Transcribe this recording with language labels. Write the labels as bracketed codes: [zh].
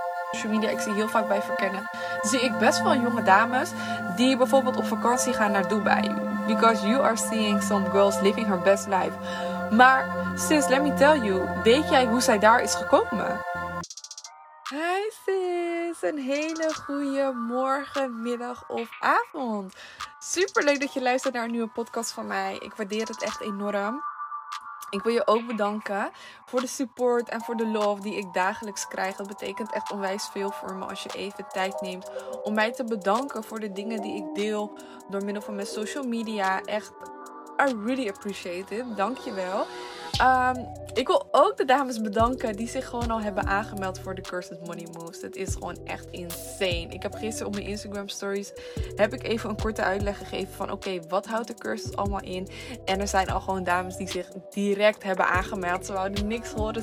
[nl] Social media, ik zie heel vaak bij verkennen. Zie ik best wel jonge dames die bijvoorbeeld op vakantie gaan naar Dubai. [en] Because you are seeing some girls living her best life. [nl] Maar sis, [en] let me tell you, [nl] weet jij hoe zij daar is gekomen? Hi sis, een hele goede morgen, middag of avond. Super leuk dat je luistert naar een nieuwe podcast van mij. Ik waardeer het echt enorm. Ik wil je ook bedanken voor de support en voor de love die ik dagelijks krijg. Dat betekent echt onwijs veel voor me als je even tijd neemt om mij te bedanken voor de dingen die ik deel door middel van mijn social media. Echt, [en] I really appreciate it. [nl] Dank je wel. Ik wil ook de dames bedanken die zich gewoon al hebben aangemeld voor de Cursed Money Moves. Het is gewoon echt insane. Ik heb gisteren op mijn Instagram stories heb ik even een korte uitleg gegeven van oké, wat houdt de cursus allemaal in? En er zijn al gewoon dames die zich direct hebben aangemeld. Ze wouden niks horen.